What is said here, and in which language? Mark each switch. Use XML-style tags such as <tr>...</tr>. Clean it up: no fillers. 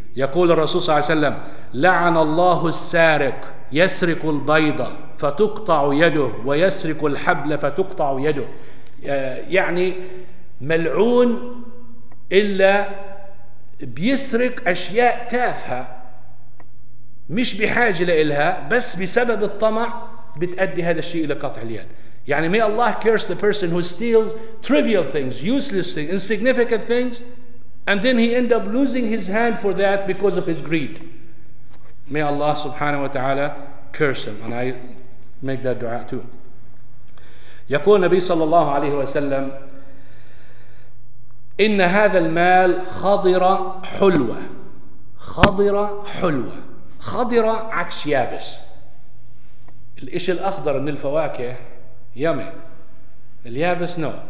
<ar>يقول الرسول صلى الله عليه وسلم لعن الله السارق يسرق البيضة فتقطع يده ويسرق الحبل فتقطع يده. يعني ملعون إلا بيسرق أشياء تافهة مش بحاجة لإلها بس بسبب الطمع بتأدي هذا الشيء إلى قطع اليد.</ar> <en>يعني may Allah curse the person who steals trivial things, useless things, insignificant things, and then he end up losing his hand for that because of his greed. May Allah subhanahu wa ta'ala curse him. And I make that dua too.</en> <ar>يقول النبي صلى الله عليه وسلم إن هذا المال خضر حلوة. خضر حلوة، خضر عكس يابس. الإشي الأخضر من الفواكه</ar> <en>yummy,</en> <ar>اليابس</ar> <en>No.</en>